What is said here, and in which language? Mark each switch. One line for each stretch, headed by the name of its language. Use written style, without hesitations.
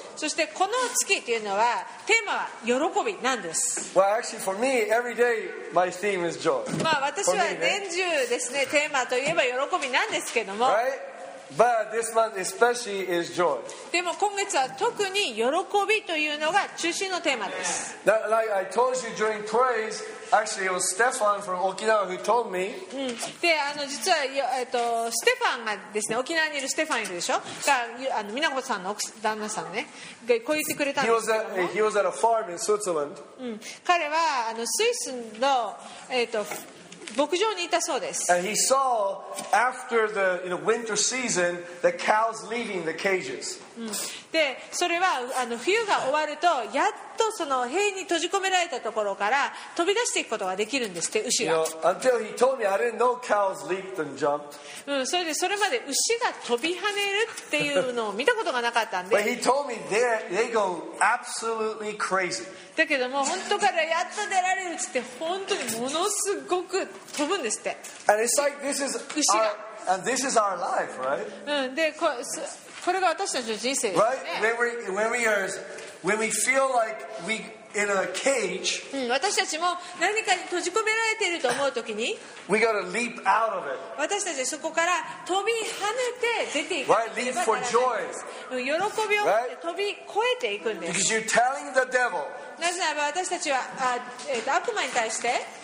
Japanese: そして、この月っていうのは、テーマは喜びなんです。
English: Well, actually, for me, every day, my theme is joy.
Japanese: まあ私は年中ですね、テーマといえば喜びなんですけども。
English: Right? But this month especially is joy.
Japanese: でも今月は特に喜びというのが中心のテーマです。
English: That, like I told you during praise, actually it was Stefan from Okinawa who told me.
Japanese: うん。で、実は、ステファンがですね、沖縄にいるステファンいるでしょ？が、美奈子さんの旦那さんね、こう言ってくれたんです
English: けども。 He was at a farm in Switzerland.
Japanese: うん。彼はスイスの牧場にいたそうです。
English: And he saw after the winter season the cows leaving the cages.
Japanese: で、それは冬が終わるとやっとその塀に閉じ込められたところから飛び出していくことができるんですって牛が。
English: Until he told me, I didn't know cows leaped and jumped.
Japanese: それでそれまで牛が飛び跳ねるっていうのを見たことがなかったんで。
English: But he told me they go absolutely crazy.
Japanese: だけども本当からやっと出られるって本当にものすごく飛ぶんですって。
English: And it's like this is our, and this is our life, right?
Japanese: で、これが私たちの人生ですね。
English: Right? When we feel like we in a cage.
Japanese: 私たちも何かに閉じ込められていると思うときに。
English: We gotta leap out of it.
Japanese: 私たちそこから飛び跳ねて出ていく。
English: Right? Leap for joy.
Japanese: 喜びを飛び越えていくんです。
English: Because you're telling the devil.
Japanese: なぜならば私たちは悪魔に対して